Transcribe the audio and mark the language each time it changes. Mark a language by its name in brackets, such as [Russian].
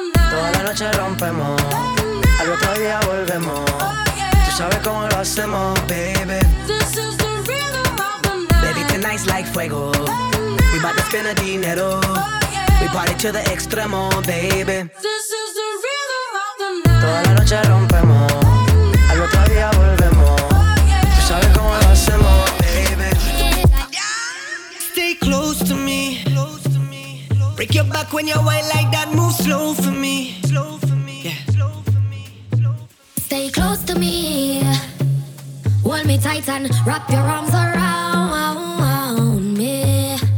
[Spanish] Toda la noche rompemos, al otro día volvemos. Tú sabes cómo lo hacemos, baby. [English] This is the rhythm of the night. Baby, tonight's like fuego. We bout to spend a dinero. Oh, yeah. We party to the extremo, baby. This is the rhythm of the night. [Spanish] Toda la noche rompemos, al otro día volvemos. Tú sabes cómo lo hacemos, baby. [English] Stay close to me. Break your back when you're white like that. Move slow for me. Stay close to me. Hold me tight and wrap your arms around me.